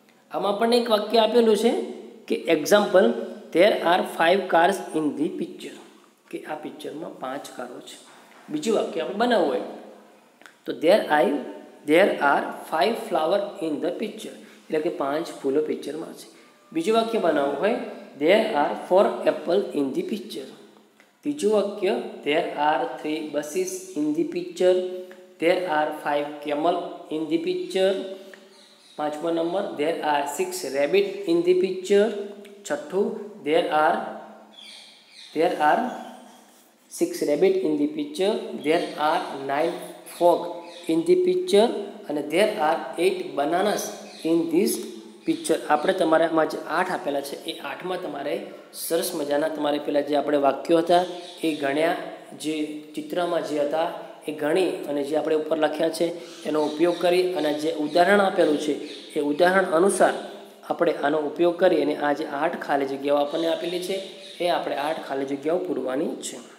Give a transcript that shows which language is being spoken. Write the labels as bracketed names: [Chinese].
[Gujarati] આમાં આપણને એક વાક્ય આપેલું છે કે example, [English] there are 5 cars in the picture, [Gujarati] કે આ પિક્ચરમાં 5 કારો છે. બીજું વાક્ય આપણે બનાવવું હોય તો [English] there are five flower in the picture, [Gujarati] એટલે કે પાંચ ફૂલો પિક્ચરમાં છે. બીજું વાક્ય બનાવવું હોય, [English] there are four apple in the picture. [Gujarati] ત્રીજું વાક્ય, [English] there are three buses in the picture. There are five camel in the picture. [Gujarati] પાંચમો number, [English] there are six rabbit in the picture. [Gujarati] છઠ્ઠું, [English] there are six rabbit in the picture. There are nine frog in the picture. અને there are eight bananas in this picture. [Gujarati] આપણે તમારે આમાં જે આઠ આપેલા છે એ આઠમાં તમારે સરસ મજાના તમારે પહેલાં જે આપણે વાક્યો હતા એ ગણ્યા, જે ચિત્રમાં જે હતા એ ગણી, અને જે આપણે ઉપર લખ્યા છે એનો ઉપયોગ કરી, અને જે ઉદાહરણ આપેલું છે એ ઉદાહરણ અનુસાર આપણે આનો ઉપયોગ કરી અને આ જે આઠ ખાલી જગ્યાઓ આપણને આપેલી છે એ આપણે આઠ ખાલી જગ્યાઓ પૂરવાની છે.